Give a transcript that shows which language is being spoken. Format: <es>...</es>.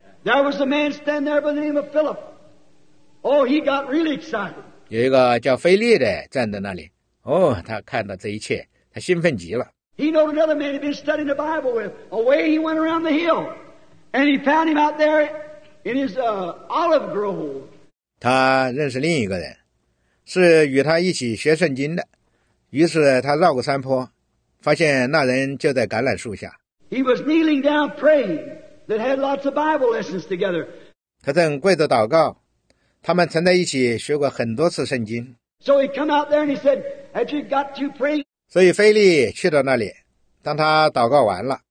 <en>There was a man standing there by the name of Philip, Oh, he got really excited.</en> <zh>有一个叫菲利的站在那里。哦，他看到这一切，他兴奋极了。</zh> <en>He knows another man he'd been studying the Bible with. Away he went around the hill, and he found him out there in his olive grove.</en> <zh>他认识另一个人，是与他一起学圣经的。于是他绕过山坡，发现那人就在橄榄树下。</zh> <en>He was kneeling down praying. That had lots of Bible lessons together.</en> <zh>他正跪着祷告。他们曾在一起学过很多次圣经。</zh> <en>So he come out there and he said, "Have you got to pray?"</en> <zh>所以菲利去到那里，当他祷告完了</zh>